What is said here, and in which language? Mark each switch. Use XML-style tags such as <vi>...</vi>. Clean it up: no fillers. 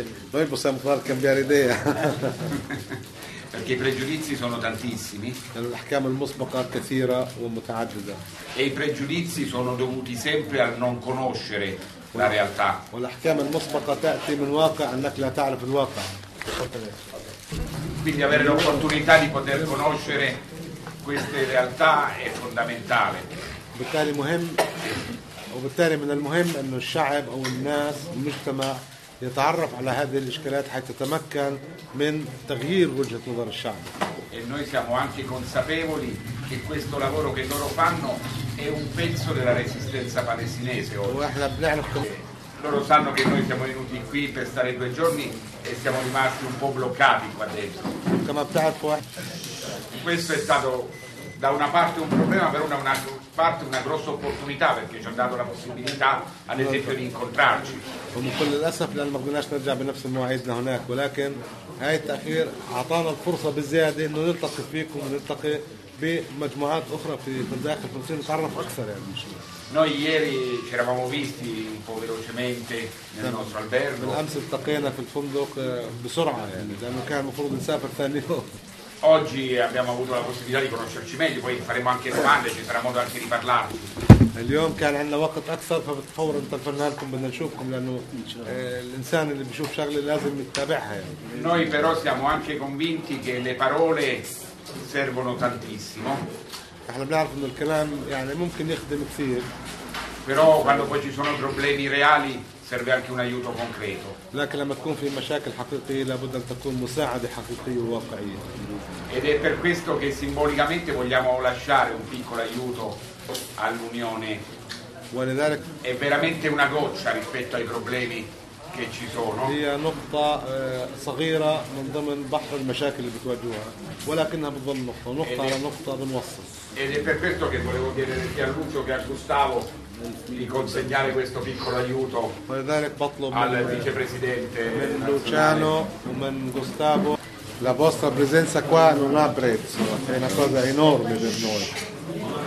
<it>Noi possiamo far cambiare idea. Perché i pregiudizi sono tantissimi.</it> <ar>الأحكام المسبقة كثيرة ومتعددة.</ar> <it>E i pregiudizi sono dovuti sempre al non conoscere la realtà.</it> <ar>والأحكام المسبقة تأتي من واقع أنك لا تعرف الواقع.</ar> <it>Quindi avere l'opportunità di poter conoscere queste realtà è fondamentale.</it> <ar>بالتالي مهم وبالتالي من المهم أن الشعب أو الناس المجتمع يتعرف على هذه الإشكالات حتى تتمكن من تغيير وجهة نظر الشعب.</ar> <it>E noi siamo anche consapevoli che questo lavoro che loro fanno è un pezzo della resistenza palestinese.</it> <ar>واحنا بنعرف</ar> <it>loro sanno che noi siamo venuti qui per stare due giorni e siamo rimasti un po' bloccati qua dentro.</it> <ar>كما بتعرفوا</ar> <it>questo è stato da una parte un problema, però da un'altra parte una grossa opportunità perché ci ha dato la possibilità ad esempio di incontrarci.</it> <ar>Come كل الأسف لأن ما قدرناش نرجع بنفس مواعيدنا هناك ولكن هاي التأخير أعطانا الفرصة بزيادة إنه نلتقي فيكم ونلتقي بمجموعات أخرى في داخل فلسطين نتعرف أكثر يعني.</ar> <it>Noi ieri ci eravamo visti un po' velocemente nel nostro albergo.</it> <ar>بالأمس التقينا في الفندق بسرعة يعني لأنه كان المفروض نسافر ثاني يوم.</ar> <it>Oggi abbiamo avuto la possibilità di conoscerci meglio, poi faremo anche domande, ci sarà modo anche di parlarvi.</it> <ar>اليوم كان عندنا وقت اكثر فبتفور انطلقنا لكم بدنا نشوفكم لانه الانسان اللي بيشوف شغله لازم يتابعها يعني.</ar> <it>Noi però siamo anche convinti che le parole servono tantissimo.</it> <ar>احنا بنعرف انه الكلام يعني ممكن يخدم كثير.</ar> <it>Però quando poi ci sono problemi reali serve anche un aiuto concreto.</it> <ar>لكن لما تكون في مشاكل حقيقيه لابد ان تكون مساعده حقيقيه وواقعيه.</ar> <it>Ed è per questo che simbolicamente vogliamo lasciare un piccolo aiuto all'Unione.</it> <ar>ولذلك</ar> <it>è veramente una goccia rispetto ai problemi che ci sono.</it> <ar>هي نقطة صغيرة من ضمن بحر المشاكل اللي بتواجهها ولكنها بتظل نقطة نقطة على نقطة بنوصل.</ar> <it>Ed è per questo che volevo chiedere sia a Lucio che a Gustavo di consegnare questo piccolo aiuto al vicepresidente Luciano Umen Gustavo. La vostra presenza qua non ha prezzo, è una cosa enorme per noi.</it>